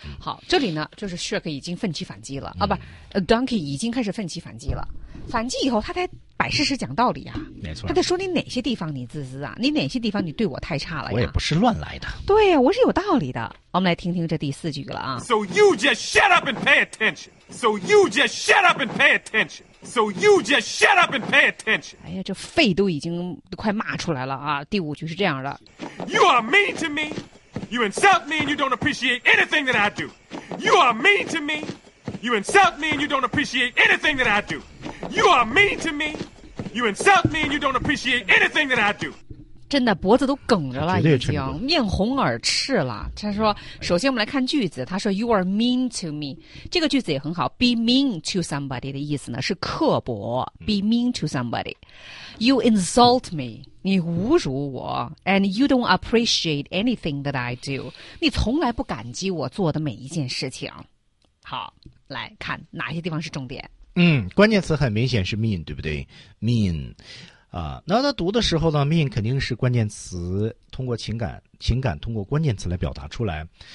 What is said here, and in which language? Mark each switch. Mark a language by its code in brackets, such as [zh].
[zh] 好，这里呢就是 Shrek 已经奋起反击了、Donkey 已经开始奋起反击了，反击以后他才摆事实讲道理啊，没错，他在说你哪些地方你自私啊，你哪些地方你对我太差了呀，我也不是乱来的，对呀、我是有道理的。我们来听听这第四句了啊。 [en] So you just shut up and pay attention. So you just shut up and pay attention. So you just shut up and pay attention. [zh] 哎呀，这肺都已经快骂出来了啊。第五句是这样的。 [en] You are mean to me. You insult me and you don't appreciate anything that I do. You are mean to meYou insult me and you don't appreciate anything that I do. You are mean to me. You insult me and you don't appreciate anything that I do. [zh] 真的脖子都梗着了，已经面红耳赤了。他说，首先我们来看句子，他说 [en] You are mean to me. [zh] 这个句子也很好， [en] Be mean to somebody [zh] 的意思呢是刻薄， Be mean to somebody. [en] You insult me. [zh] 你侮辱我。 [en] And you don't appreciate anything that I do. [zh] 你从来不感激我做的每一件事情。好，来看哪些地方是重点。嗯，关键词很明显是 mean, 对不对？mean, 啊，那他读的时候呢， mean 肯定是关键词，通过情感通过关键词来表达出来。